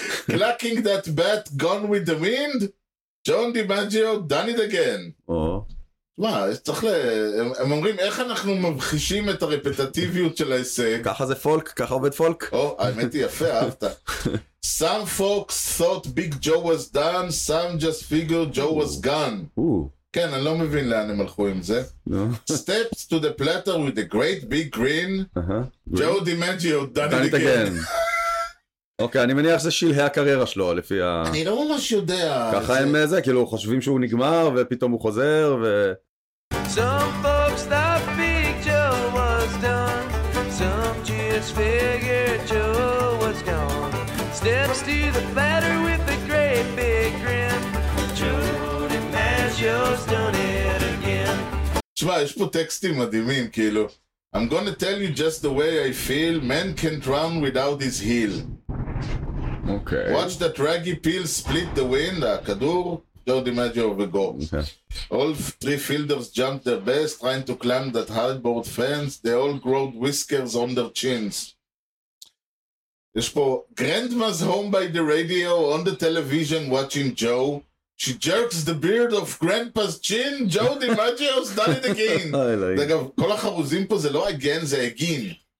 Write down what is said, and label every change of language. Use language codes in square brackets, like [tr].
[en] Clacking that bat, gone with the wind, John DiMaggio, done it again. [he] מה, צריך ל... הם אומרים, איך אנחנו מבחישים את הרפטטיביות של ההישג? ככה זה פולק, ככה עובד פולק. האמת היא יפה, אהבת. [en] Some folks thought Big Joe was done, some just figured Joe was gone. [he] כן, אני לא מבין לאן הם הלכו עם זה. [en] Steps to the platter with a great big grin, Joe DiMaggio, done it again. [he] אוקיי, אני מניח שזה שלהי הקריירה שלו, לפי ה... אני לא ממש יודע. ככה הם זה, כאילו חושבים שהוא נגמר, ופתאום הוא חוזר, ו... [en] Some folks thought Big Joe was done, some just figured Joe was gone. Steps to the platter with a great big grin, Joe DiMaggio's done it again. [he] תשמע, יש פה טקסטים מדהימים, כאילו. [en] I'm gonna tell you just the way I feel, man can't run without his heel. Okay. Watch the draggy peel split the wind, הכדור, ג'ו די מג'יו וגו. All three fielders jumped their best, trying to climb that hardboard fence, they all growed whiskers on their chins. [he] יש פה, [en] grandma's home by the radio, on the television watching Joe. She jerks the beard of grandpa's chin, ג'ו די מג'יו's done it again. [he] אגב, כל החרוזים פה זה לא again, זה again.